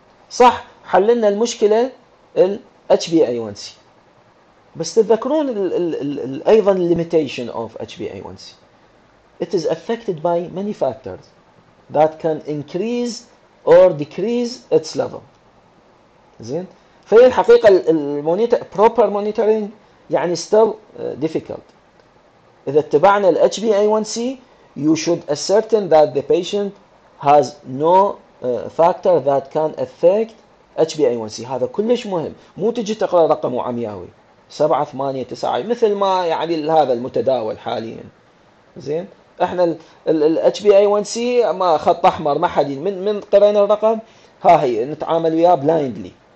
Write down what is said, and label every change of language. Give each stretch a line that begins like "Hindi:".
Arabic: صح، حللنا المشكلة ال HbA1c، بس تذكرون ال أيضا
English: limitation of HbA1c. It is affected by many factors that can increase or decrease its level.
Arabic: زين، فهي الحقيقة المونيتر
English: proper monitoring
Arabic: يعني
English: still difficult.
Arabic: إذا اتبعنا ال
English: HbA1c you should ascertain that the patient has no factor that can affect HbA1c.
Arabic: هذا كلش مهم، مو تجي تقرأ رقم عمياوي 7 8 9 مثل ما يعني هذا المتداول حاليا. زين، احنا ال HbA1c ما خط احمر، ما حد من قرينا الرقم ها هي نتعامل وياه بلايندلي.